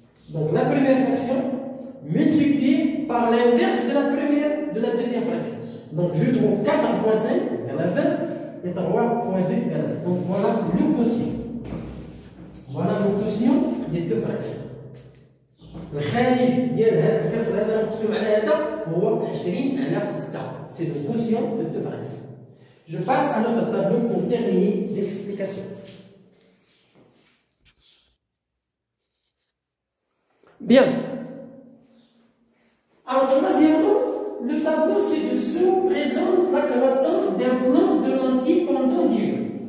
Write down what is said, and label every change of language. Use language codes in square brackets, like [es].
[fr] Donc la première fraction multipliée par l'inverse de la première, de la deuxième fraction. Donc je trouve 4 fois 5 égale à 20 et 3 fois 2 égale à 7. Donc voilà le quotient. Voilà le quotient des deux fractions. [ar] Le khalij ديال هذا الكسر هذا القسم على هذا هو 20 على 6. [fr] C'est le quotient de deux fractions. Je passe à notre tableau pour terminer l'explication. Bien. Alors troisièmement, le tableau ci-dessous présente la croissance d'un plan de lentille pendant 10 jours.